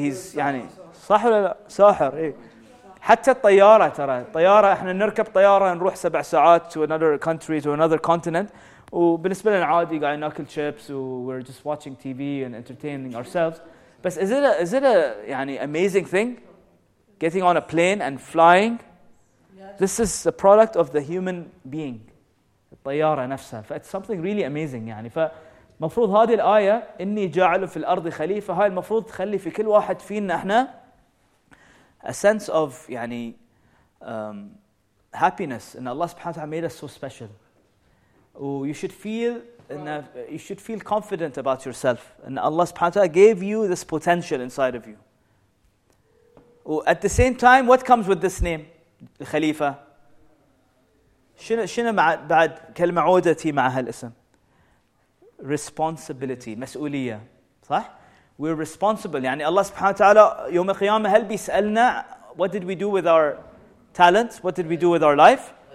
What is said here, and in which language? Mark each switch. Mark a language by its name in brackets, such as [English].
[Arabic] He's يعني صح ولا لا؟ ساحر. حتى الطيارة ترى طيارة إحنا نركب طيارة نروح 7 ساعات [English] to another country to another continent [Arabic] وبالنسبة لنا عادي قاعدين ناكل chips و [English] we're just watching TV and entertaining ourselves. بس is it a يعني amazing thing getting on a plane and flying? This is a product of the human being. [Arabic] الطيارة نفسها. [English] It's something really amazing يعني. [Arabic] فمفروض هذه الآية إني جاعل في الأرض خليفة هاي المفروض تخلي في كل واحد فينا إحنا [English] a sense of [Arabic] يعني [English] happiness and Allah subhanahu wa ta'ala made us so special. Oh, you should feel You should feel confident about yourself. And Allah subhanahu wa ta'ala gave you this potential inside of you. At the same time, what comes with this name? Khalifa. [Arabic] شنو بعد كلمة عودتي مع هالاسم؟ Responsibility, مسؤولية. صح؟ [English] We're responsible. [Arabic] يعني الله سبحانه وتعالى يوم القيامة هل بيسألنا [English] what did we do with our talents? What did we do with our life?